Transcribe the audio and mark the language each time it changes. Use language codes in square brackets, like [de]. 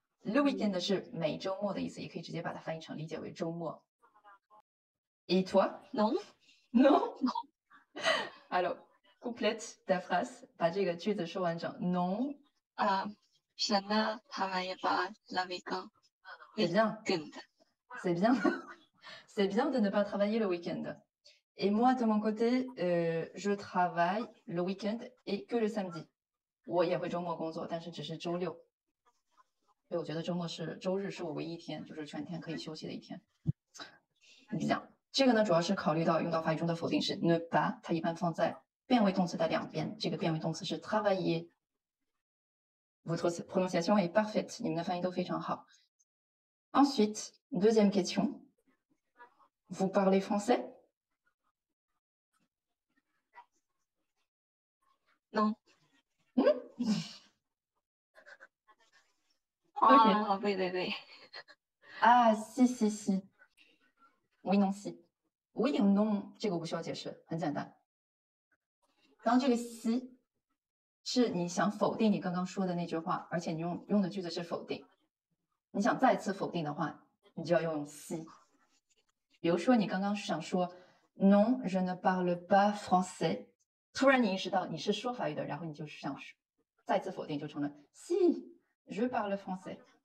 [zh] Le week-end 是每周末的意思，也可以直接把它翻译成理解为周末。 [fr] Et toi? Non. Non? Alors, complète ta phrase, [zh] 把这个句子说完整。 [fr] Non? Je ne travaille pas le week-end. C'est bien. C'est bien. C'est bien de ne pas travailler le week-end. Et moi, de mon côté, je travaille le week-end et que le samedi. [zh] 我也会周末工作，但是只是周六。所以我觉得周末是周日是我唯一一天，就是全天可以休息的一天。你想，这个呢，主要是考虑到用到法语中的否定式 ne pas， 它一般放在变位动词的两边。这个变位动词是 travailler。 [fr] Votre prononciation est parfaite. [zh] 你们的翻译都非常好。 [fr] Ensuite, deuxième question. Vous parlez français? Non. Hmm? Okay. Ah, oui, oui, oui. Ah, si, si, si. Oui, non, si. Oui, non, [zh] 这个不需要解释，很简单。当这个 si 是你想否定你刚刚说的那句话，而且你用的句子是否定。你想再次否定的话，你就要用 si。比如说，你刚刚想说 [fr] non, je ne parle pas français。 [zh] 突然你意识到你是说法语的，然后你就想再次否定，就成了 [fr] si, je parle français。